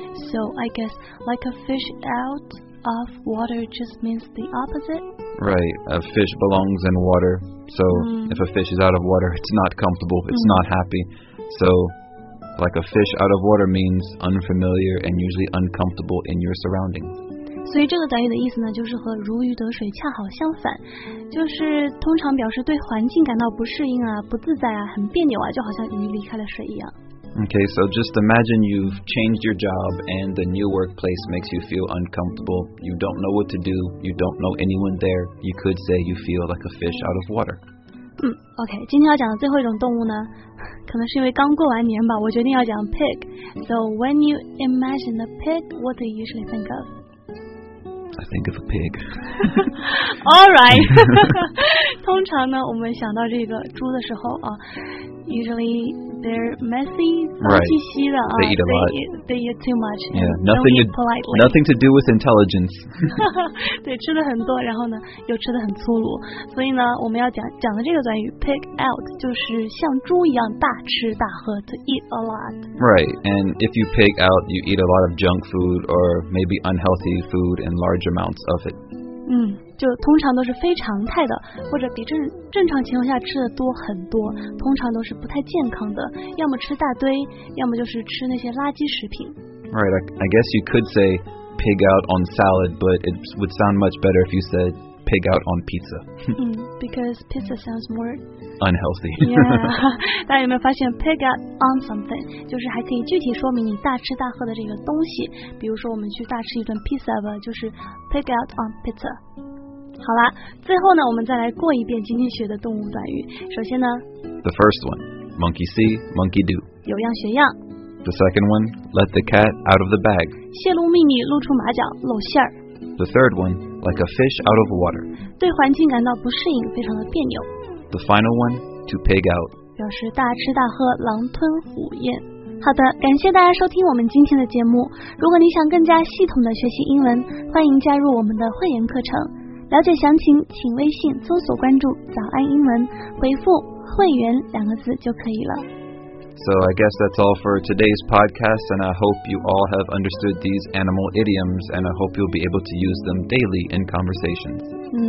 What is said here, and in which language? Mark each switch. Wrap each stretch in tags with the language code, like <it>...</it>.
<en>So I guess like a fish out... of water just means the opposite. Right, a fish belongs in water. So if a fish is out of water, it's not comfortable, it's not happy. So like a fish out of water means unfamiliar and usually uncomfortable in your surroundings. 所以这个短语的意思呢，就是和如鱼得水恰好相反，就是通常表示对环境感到不适应啊，不自在啊，很别扭啊，就好像鱼离开了水一样。 Okay, so just imagine you've changed your job and the new workplace makes you feel uncomfortable. You don't know what to do. You don't know anyone there. You could say you feel like a fish out of water.</en> <zh>Okay, 今天要讲的最后一种动物呢，可能是因为刚过完年吧，我决定要讲 pig.</zh> <en>So when you imagine a pig, what do you usually think of? I think of a pig. All right.</en> <zh>通常呢，我们想到这个猪的时候啊，</zh> <en>usually... they're messy,</en> <zh>脏兮兮的,</zh> <en>right. They eat a lot. They eat too much. Yeah, nothing, don't eat politely. Nothing to do with intelligence.</en> <zh>对，吃的很多，然后呢，又吃的很粗鲁。所以呢，我们要讲的这个短语</zh> <en>pig out</en> <zh>就是像猪一样大吃大喝</zh> <en>to eat a lot. Right, and if you pig out, you eat a lot of junk food or maybe unhealthy food and large amounts of it.</en> <zh>就通常都是非常态的或者比 正常情况下吃的多很多通常都是不太健康的要么吃大堆要么就是吃那些垃圾食品</zh> <en>Right, I guess you could say pig out on salad but it would sound much better if you said pig out on pizza because pizza sounds more unhealthy</en> <zh>Yeah, 大家有没有发现</zh> <en>pig out on something</en> <zh>就是还可以具体说明你大吃大喝的这个东西比如说我们去大吃一顿 pizza 吧就是</zh> <en>pig out on pizza</en> <zh>好啦最后呢我们再来过一遍今天学的动物短语首先呢</zh> <en>The first one Monkey see, monkey do</en> <zh>有样学样</zh> <en>The second one Let the cat out of the bag</en> <zh>泄露秘密露出马脚露馅</zh> <en>The third one Like a fish out of water</en> <zh>对环境感到不适应非常的别扭</zh> <en>The final one To pig out</en> <zh>表示大吃大喝狼吞虎咽好的感谢大家收听我们今天的节目如果你想更加系统的学习英文欢迎加入我们的会员课程了解详情请微信搜索关注早安英文回复会员两个字就可以了</zh> <en>So I guess that's all for today's podcast and I hope you all have understood these animal idioms and I hope you'll be able to use them daily in conversations</en>